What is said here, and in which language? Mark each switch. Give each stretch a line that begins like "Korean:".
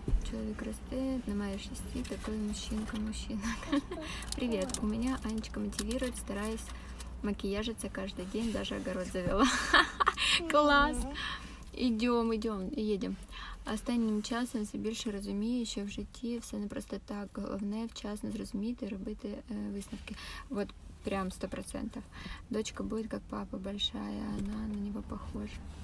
Ukrainian: Человек росте, немає шести.
Russian: Такой мужчинка. Привет, у меня Анечка мотивирует, стараюсь макияжиться каждый день, даже огород завела. Класс! Идем.
Ukrainian: Останнім часом все більше розуміє, що в житті все не просто так. Головне вчасно зрозуміти, робити висновки.
Russian: Вот прям
Ukrainian: 100%. Дочка буде як папа,
Russian: большая,
Ukrainian: вона на нього
Russian: похожа.